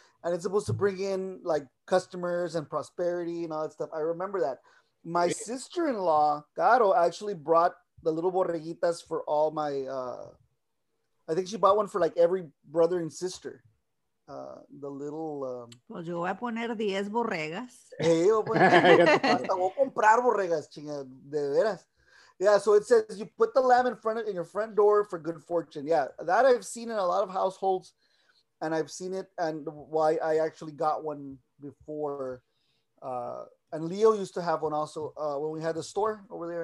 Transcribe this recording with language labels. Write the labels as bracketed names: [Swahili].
[English] And it's supposed to bring in like customers and prosperity and all that stuff. I remember that. My sister-in-law, Caro, actually brought the little borreguitas for all my, I think she bought one for like every brother and sister. The little... [Spanish] Yo voy a poner 10 borregas. Hey, yo hasta voy a comprar borregas, chinga, de veras. [English] Yeah, so it says you put the lamb in your front door for good fortune. Yeah, that I've seen in a lot of households. And I've seen it, and why I actually got one before. And Leo used to have one also when we had the store over there.